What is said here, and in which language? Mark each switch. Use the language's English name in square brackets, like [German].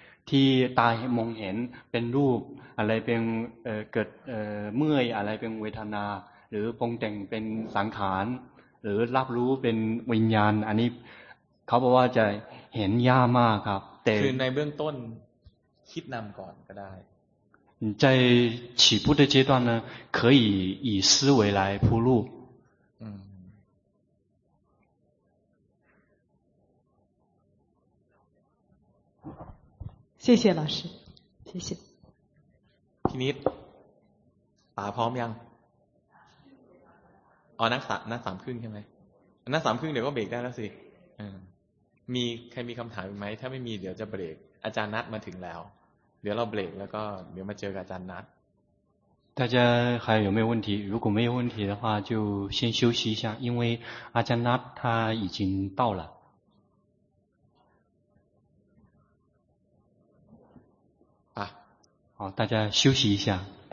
[Thai] ที่ตามองเห็นเป็นรูปอะไรเป็นเกิดเมื่อยอะไรเป็นเวทนาหรือปรุงแต่งเป็นสังขารหรือรับรู้เป็นวิญญาณอันนี้เขาบอกว่าจะเห็นยากมากครับ คือในเบื้องต้นคิดนำก่อนก็ได้ [Chinese] 在起步的阶段呢可以以思维来铺路谢谢老师谢谢 [Thai] พินิจป๋าพร้อมยังนักสามครึ่งใช่ไหมนักสามครึ่งเดี๋ยวก็เบรกได้แล้วสิมีใครมีคำถามไหมถ้าไม่มีเดี๋ยวจะเบรกอาจารย์นัทมาถึงแล้วเดี๋ยวเราเบรกแล้วก็เดี๋ยวมาเจอกับอาจารย์นั [Chinese] ท大家还有没有问题如果没有问题的话就先休息一下因为อาจารย์นัท他已经到了好大家休息一下